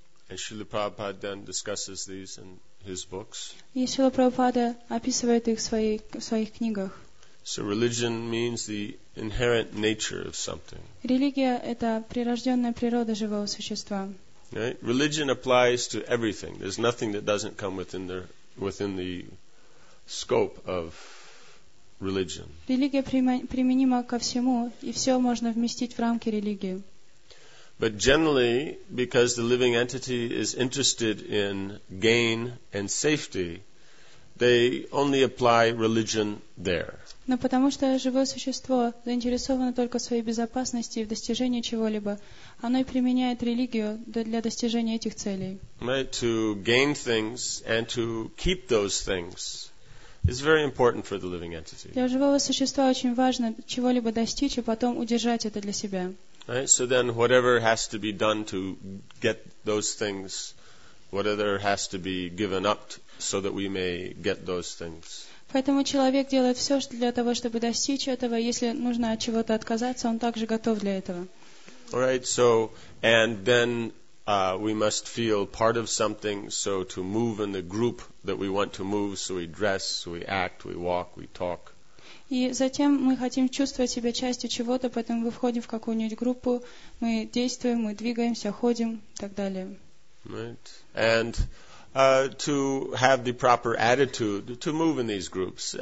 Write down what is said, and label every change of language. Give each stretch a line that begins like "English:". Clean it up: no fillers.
English: And Srila Prabhupada then discusses these in his books.
Russian: И Шрила Прабхупада описывает их в своих книгах.
English: So religion means the inherent nature of something.
Russian: Религия — это прирожденная природа живого существа.
English: Right? Religion applies to everything. There's nothing that doesn't come within the scope of religion.
Russian: Религия применима ко всему, и все можно вместить в рамки религии.
English: But generally, because the living entity is interested in gain and safety, they only apply religion there.
Russian: Но потому что живое существо заинтересовано только в своей безопасности и в достижении чего-либо, оно и применяет религию для достижения этих целей.
English: Right, to gain things and to keep those things is very important for the living entity.
Russian: Для живого существа очень важно чего-либо достичь и потом удержать это для себя.
English: Right, so then whatever has to be done to get those things, whatever has to be given up so that we may get those things.
Russian: Поэтому человек делает все для того, чтобы достичь этого. Если нужно от чего-то отказаться, он также готов для этого.
English: All right, so, and then we must feel part of something, so to move in the group that we want to move, so we dress, so we act, we walk, we talk.
Russian: И затем мы хотим чувствовать себя частью чего-то, поэтому мы входим в какую-нибудь группу, мы действуем, мы двигаемся, ходим и так далее.
English: Right. And to have the proper attitude to move in these groups.